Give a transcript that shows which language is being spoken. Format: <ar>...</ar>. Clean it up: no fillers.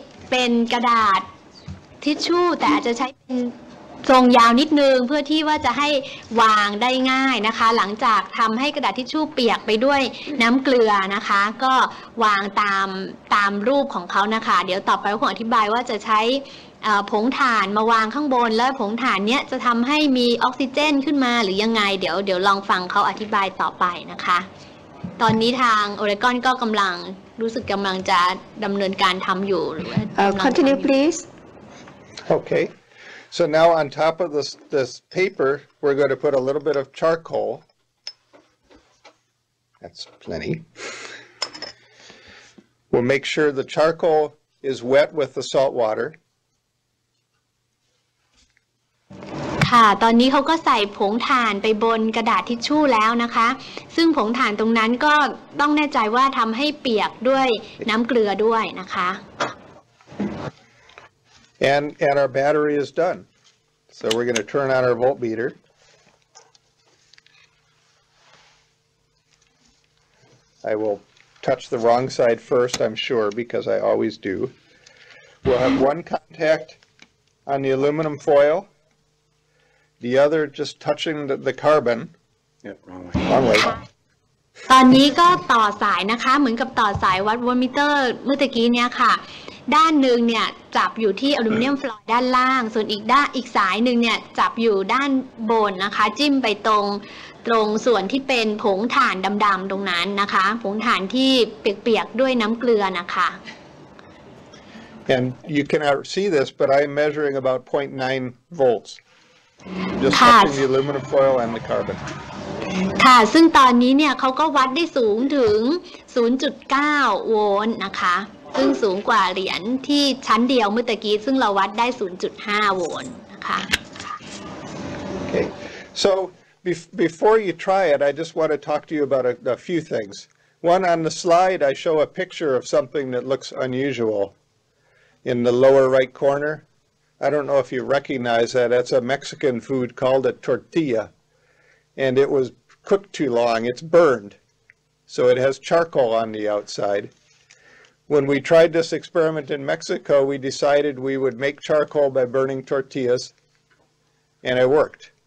<th>เป็นกระดาษทิชชู่แต่อาจจะใช้เป็นทรงยาวนิดนึงเพื่อที่ว่าจะให้วางได้ง่ายนะคะหลังจากทำให้กระดาษทิชชู่เปียกไปด้วยน้ำเกลือนะคะก็วางตามรูปของเขานะคะเดี๋ยวต่อไปผมอธิบายว่าจะใช้ผงถ่านมาวางข้างบนแล้วผงถ่านเนี้ยจะทำให้มีออกซิเจนขึ้นมาหรือยังไงเดี๋ยวลองฟังเขาอธิบายต่อไปนะคะตอนนี้ทางโอเรกอนก็กำลังรู้สึกกำลังจะดำเนินการทำอยู่</th> <en>continue please okaySo now on top of this paper, we're going to put a little bit of charcoal. That's plenty. We'll make sure the charcoal is wet with the salt water.</en> <th>ค่ะตอนนี้เขาก็ใส่ผงถ่านไปบนกระดาษทิชชู่แล้วนะคะซึ่งผงถ่านตรงนั้นก็ต้องแน่ใจว่าทำให้เปียกด้วยน้ำเกลือด้วยนะคะ</th> <en>And our battery is done. So we're going to turn on our voltmeter. I will touch the wrong side first, I'm sure, because I always do. We'll have one contact on the aluminum foil, the other just touching the carbon. Yeah, wrong way.</en> <th>ตอนนี้ก็ต่อสายนะคะเหมือนกับต่อสายวัดวอลต์มิเตอร์เมื่อกี้เนี่ยค่ะด้านหนึ่งเนี่ยจับอยู่ที่อลูมิเนียมฟลอยด์ด้านล่างส่วนอีกด้านอีกสายหนึ่งเนี่ยจับอยู่ด้านบนนะคะจิ้มไปตรงส่วนที่เป็นผงถ่านดำๆตรงนั้นนะคะผงถ่านที่เปียกๆด้วยน้ำเกลือนะคะ</th> <en>And you cannot see this but I'm measuring about 0.9 volts just touching the aluminum foil and the carbon</en> <th>ค่ะซึ่งตอนนี้เนี่ยเขาก็วัดได้สูงถึง 0.9 โวลต์นะคะซึ่งสูงกว่าเหรียญที่ชั้นเดียวเมื่อกี้ซึ่งเราวัดได้ 0.5 โวลต์นะคะ</th> <en>โอเค so before you try it I just want to talk to you about a few things one on the slide I show a picture of something that looks unusual in the lower right corner I don't know if you recognize that that's a Mexican food called a tortilla and it was cooked too long it's burned so it has charcoal on the outsideWhen we tried this experiment in Mexico, we decided we would make charcoal by burning tortillas, and it worked.</en>